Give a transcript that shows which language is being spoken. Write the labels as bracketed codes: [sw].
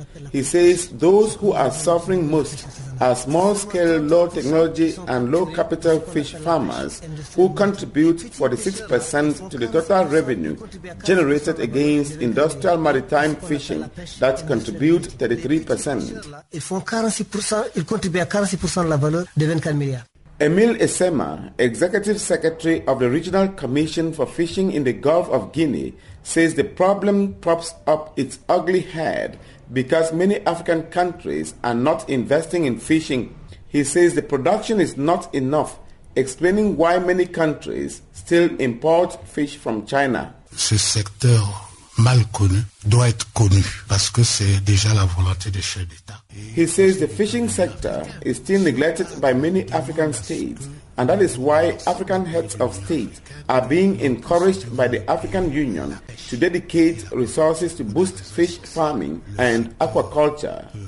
[en] He says those who are suffering most are small-scale, low-technology and low-capital fish farmers who contribute 46% to the total revenue generated against industrial maritime fishing that contribute 33%. [fr] Ils contribuent à 46% de la valeur de 24 milliards. [en] Emil Esema, Executive Secretary of the Regional Commission for Fishing in the Gulf of Guinea, says the problem props up its ugly head because many African countries are not investing in fishing. He says the production is not enough, explaining why many countries still import fish from China. [fr] Ce secteur mal connu doit être connu parce que c'est déjà la volonté des chefs d'État. [en] He says the fishing sector is still neglected by many African states, and that is why African heads of state are being encouraged by the African Union to dedicate resources to boost fish farming and aquaculture.